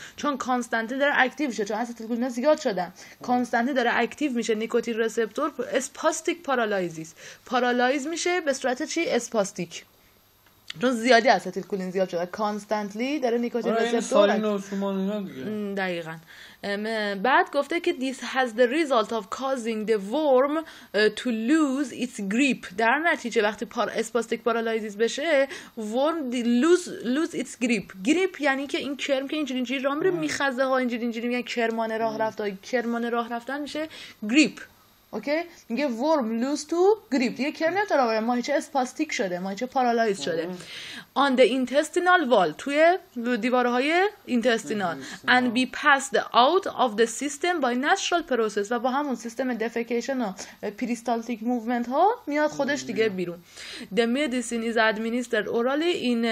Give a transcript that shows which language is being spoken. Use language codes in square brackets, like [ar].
[fa] چون کانستانتلی داره اکتیو میشه چون اسیتیلکولین زیاد شده. کانستانتلی داره اکتیو میشه نیکوتین ریسپتور اسپاستیک پارالایزیس. پارالایز میشه به صورت چی؟ اسپاستیک. چون زیادی اسیتیلکولین زیاد شده. کانستانتلی داره نیکوتین ریسپتور. دقیقاً. بعد گفته که [en] this has the result of causing the worm to lose its grip. [fa] در نتیجه وقتی اسپاستیک پارالایزیس بشه [en] worm lose its grip. [fa] grip یعنی که این کرم که اینجوری اینجوری راه میره میخزه ها اینجوری اینجوری میگن کرمانه راه رفتن کرمانه راه رفتن میشه grip. اوکی میگه [en] worm lose to grip [fa] دیگه کرم نمیتونه بره ماهیچه اسپاستیک شده ماهیچه پارالایز شده [en] on the intestinal wall [fa] توی دیوارهای intestinal [en] and be passed out of the system by natural process [fa] و با همون سیستم defecation و peristaltic movement ها میاد خودش دیگه بیرون [en] the medicine is administered orally